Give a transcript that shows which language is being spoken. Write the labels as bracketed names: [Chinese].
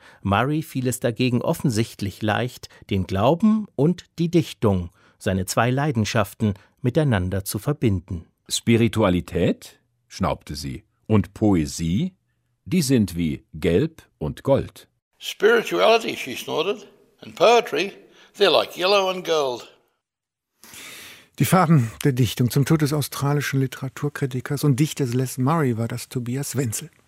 [German] Murray fiel es dagegen offensichtlich leicht, den Glauben und die Dichtung, seine zwei Leidenschaften, miteinander zu verbinden. Spiritualität, schnaubte sie, und Poesie? Die sind wie Gelb und Gold. [English] Spirituality, she snorted. And poetry, they're like yellow and gold. [German] Die Farben der Dichtung zum Tod des australischen Literaturkritikers und Dichters Les Murray war das Tobias Wenzel.